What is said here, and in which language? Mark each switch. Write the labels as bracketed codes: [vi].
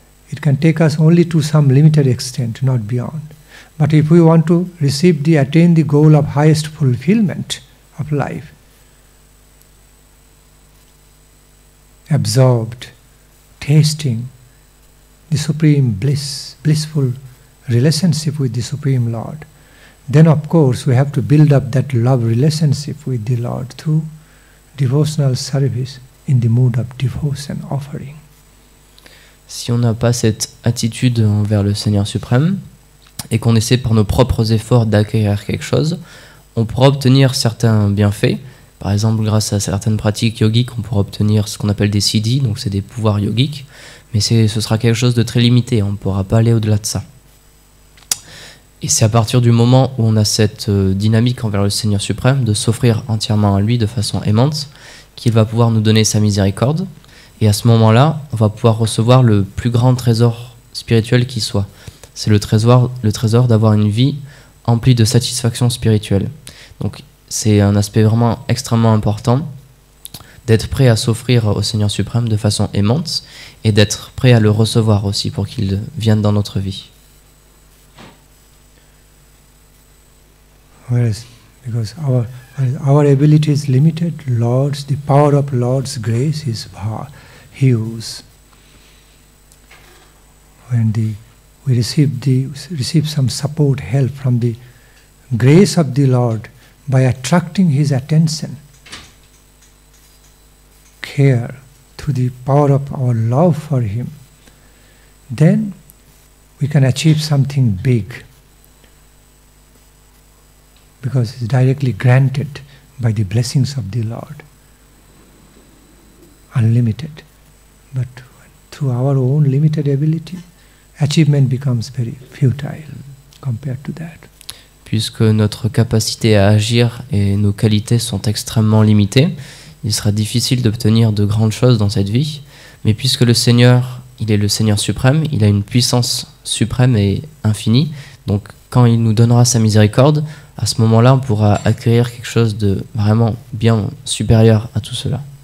[en] It can take us only to some limited extent, not beyond. But if we want to receive the, attain the goal of highest fulfillment of life, absorbed, tasting the supreme bliss, blissful relationship with the Supreme Lord, then of course we have to build up that love relationship with the Lord through devotional service in the mood of devotion offering. [fr] Si on n'a pas cette attitude envers le Seigneur suprême et qu'on essaie par nos propres efforts d'acquérir quelque chose, on pourra obtenir certains bienfaits. Par exemple, grâce à certaines pratiques yogiques, on pourra obtenir ce qu'on appelle des siddhis, donc c'est des pouvoirs yogiques, mais ce sera quelque chose de très limité, on ne pourra pas aller au-delà de ça. Et c'est à partir du moment où on a cette dynamique envers le Seigneur suprême, de s'offrir entièrement à lui de façon aimante, qu'il va pouvoir nous donner sa miséricorde, et à ce moment-là, on va pouvoir recevoir le plus grand trésor spirituel qui soit. C'est le trésor d'avoir une vie emplie de satisfaction spirituelle. Donc c'est un aspect vraiment extrêmement important d'être prêt à s'offrir au Seigneur suprême de façon aimante et d'être prêt à le recevoir aussi pour qu'il vienne dans notre vie. [en] Whereas, because our ability is limited, Lord's, the power of Lord's grace is huge. When we receive some support, help from the grace of the Lord by attracting His attention, care, through the power of our love for Him, then we can achieve something big. Because it's directly granted by the blessings of the Lord, unlimited. But through our own limited ability, achievement becomes very futile compared to that. [fr] Puisque notre capacité à agir et nos qualités sont extrêmement limitées, il sera difficile d'obtenir de grandes choses dans cette vie. Mais puisque le Seigneur, il est le Seigneur suprême, il a une puissance suprême et infinie, donc quand il nous donnera sa miséricorde, à ce moment-là, on pourra acquérir quelque chose de vraiment bien supérieur à tout cela.